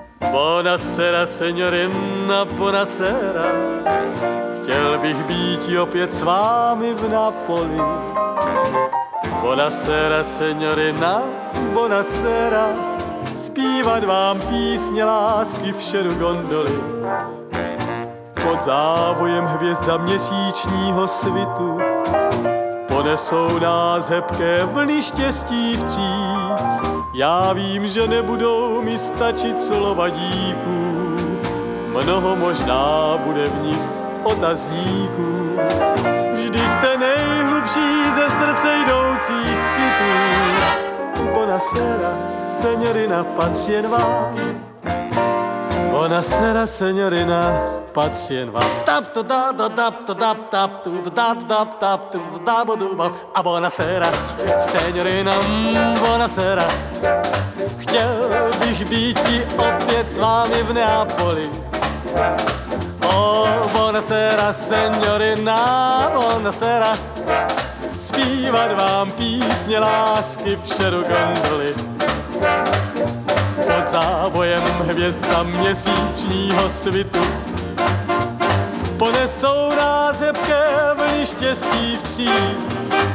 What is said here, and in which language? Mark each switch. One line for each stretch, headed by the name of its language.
Italian: Buonasera, signorina, buonasera.
Czech: Chtěl bych být opět s vámi v Napoli.
Italian: Buonasera, signorina, buonasera.
Czech: Zpívat vám písně lásky v šeru gondoli. Pod závojem hvězd za měsíčního svitu ponesou nás hebké vlny štěstí vstříc. Já vím, že nebudou mi stačit slova díků, mnoho možná bude v nich otazníků. Vždyť ten nejhlubší ze srdce jdoucích citů.
Italian: Buonasera, signorina,
Czech: patří jen vám.
Italian: Buonasera, signorina,
Czech: patří jen vám. Tap to da da tap to tap tap tu da da tap tu da bo du bo.
Italian: A buonasera, signorina, buonasera.
Czech: Chtěl bych být opět s vámi v Neapoli.
Italian: Oh, buonasera, signorina, buonasera.
Czech: Zpívat vám písně lásky v šeru gondoli. Pod závojem hvězd za měsíčního svitu ponesou nás hebké vlny štěstí vstříc.